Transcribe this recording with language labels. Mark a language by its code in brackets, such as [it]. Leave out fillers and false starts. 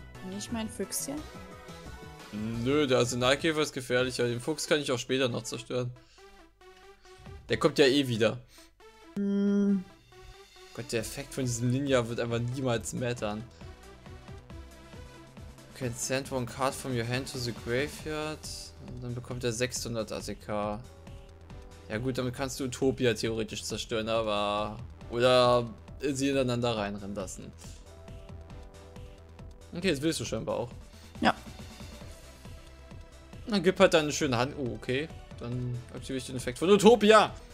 [de] Nicht mein Füchschen? Nö, der Arsenalkäfer ist gefährlicher. Den Fuchs kann ich auch später noch zerstören. Der kommt ja eh wieder. Gott, der Effekt von diesem Ninja wird einfach niemals mattern. [en] You can send one card from your hand to the graveyard. [de] Und dann bekommt er 600 ATK. Ja gut, damit kannst du Utopia theoretisch zerstören, aber... Oder sie ineinander reinrennen lassen. Okay, das willst du scheinbar auch. Ja. Dann gib halt deine schöne Hand. Oh, okay. Dann aktiviere ich den Effekt von Utopia!